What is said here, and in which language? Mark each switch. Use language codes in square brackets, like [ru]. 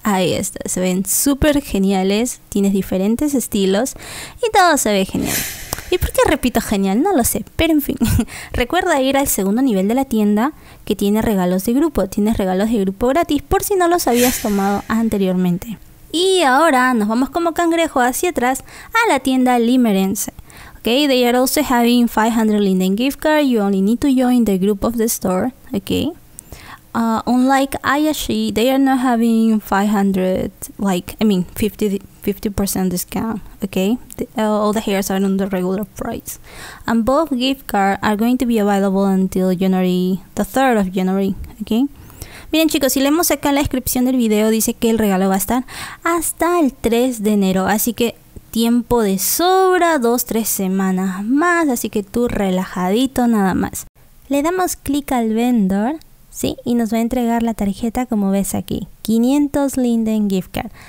[es] Ahí está, se ven súper geniales, tienes diferentes estilos y todo se ve genial. ¿Y por qué repito genial? No lo sé, pero en fin. Recuerda ir al segundo nivel de la tienda que tiene regalos de grupo. Tienes regalos de grupo gratis por si no los habías tomado anteriormente. Y ahora nos vamos como cangrejo hacia atrás a la tienda limerense. [en] Okay, they are also having 500 Linden gift card. You only need to join the group of the store. Okay. Unlike Ayashi, they are not having 500, like, I mean, 50% discount, okay? All the hairs are on the regular price. And both gift cards are going to be available until January, the 3rd of January, okay? [es] Miren chicos, si leemos acá en la descripción del video, dice que el regalo va a estar hasta el 3 de enero, así que tiempo de sobra, 2-3 semanas más, así que tú relajadito nada más. Le damos clic al vendor. Sí, y nos va a entregar la tarjeta como ves aquí, 500 Linden Gift Card.